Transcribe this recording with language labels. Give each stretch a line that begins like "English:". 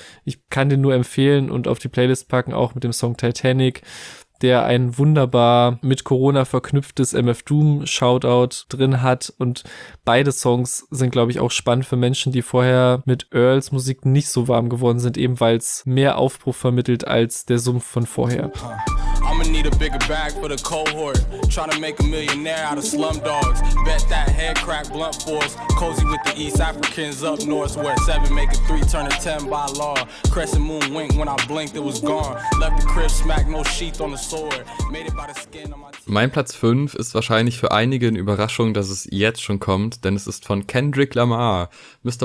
German: Ich kann den nur empfehlen und auf die Playlist packen, auch mit dem Song Titanic, der ein wunderbar mit Corona verknüpftes MF Doom Shoutout drin hat. Und beide Songs sind, glaube ich, auch spannend für Menschen, die vorher mit Earls Musik nicht so warm geworden sind, eben weil es mehr Aufbruch vermittelt als der Sumpf von vorher.
English: I'ma need a bigger bag for the cohort. Tryna make a millionaire out of slum dogs. Bet that head crack blunt force. Cozy with the East Africans up north. Where seven make a three turn a ten by law. Crescent moon wink when I blinked it was gone. Left the crib smack no sheath on the sword. Made it by the skin on my...
German: Mein Platz 5 ist wahrscheinlich für einige eine Überraschung, dass es jetzt schon kommt, denn es ist von Kendrick Lamar, Mr.